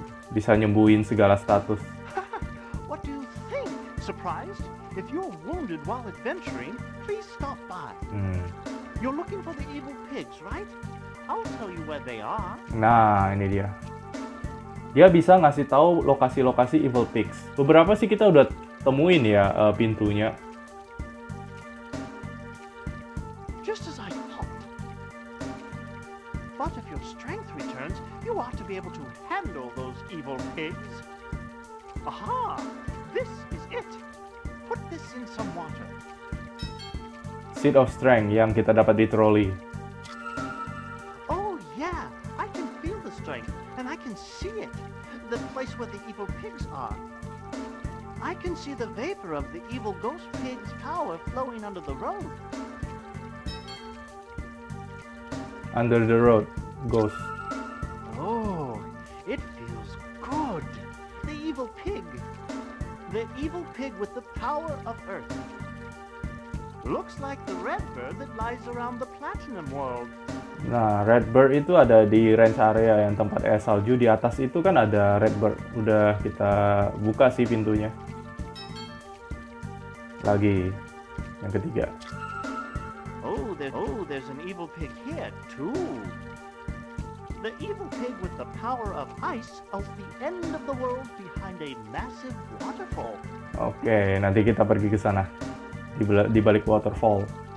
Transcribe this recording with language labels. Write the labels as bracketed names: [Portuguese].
[Indonesian] Bisa nyembuhin segala status. [English] What do you think? Surprised? If you're wounded while adventuring, please stop by. You're looking for the evil pigs, right? I'll tell you where they are. [Indonesian] Nah, ini dia. Dia bisa ngasih tahu lokasi-lokasi evil pigs. Beberapa sih kita udah temuin ya pintunya. [English] Just as I thought. But if your strength returns, you ought to be able to handle those evil pigs. Aha, this is it. Put this in some water. [Indonesian] Seed of strength yang kita dapat di troli. [English] Oh yeah, I can feel the strength and I can see it. The place where the evil pigs are. I can see the vapor of the evil ghost pig's power flowing under the road. Under the road, ghost. Oh, it feels good. The evil pig. The evil pig with the power of earth. Looks like the red bird that lies around the platinum world. [Indonesian] Nah, red bird itu ada di range area yang tempat es salju. Di atas itu kan ada red bird. Udah kita buka sih pintunya. Lagi, yang ketiga. [English] Oh, there's an evil pig here too. The evil pig with the power of ice of the end of the world behind a massive waterfall. [Indonesian] Okay, nanti kita pergi ke sana. Di balik waterfall.